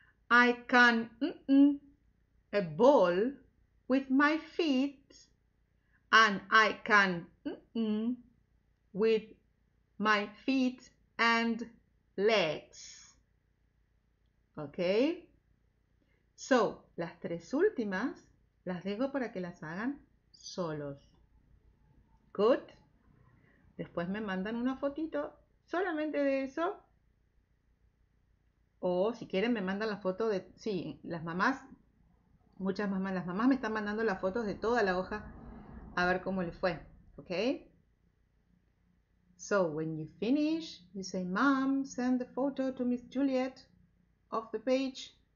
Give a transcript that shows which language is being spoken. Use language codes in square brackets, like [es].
[en] I can a ball with my feet, and I can with my feet and legs. Okay. [es] So, las tres últimas las dejo para que las hagan solos. Good. Después me mandan una fotito solamente de eso. O si quieren me mandan la foto de... Sí, las mamás, muchas mamás, las mamás me están mandando las fotos de toda la hoja a ver cómo les fue. ¿Ok? [en] So, when you finish, you say, Mom, send the photo to Miss Juliet of the page.